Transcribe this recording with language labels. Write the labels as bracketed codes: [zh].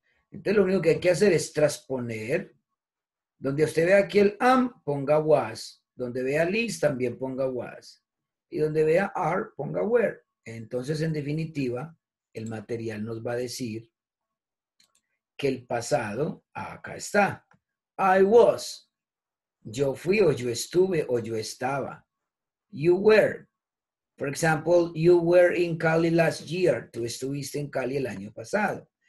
[es] Entonces, lo único que hay que hacer es transponer. Donde usted vea aquí el am, ponga was. Donde vea is, también ponga was. Y donde vea are, ponga were. Entonces, en definitiva, el material nos va a decir que el pasado acá está. [en] I was, [es] yo fui, o yo estuve, o yo estaba. [en] You were, for example, you were in Cali last year. [es] Tú estuviste en Cali el año pasado.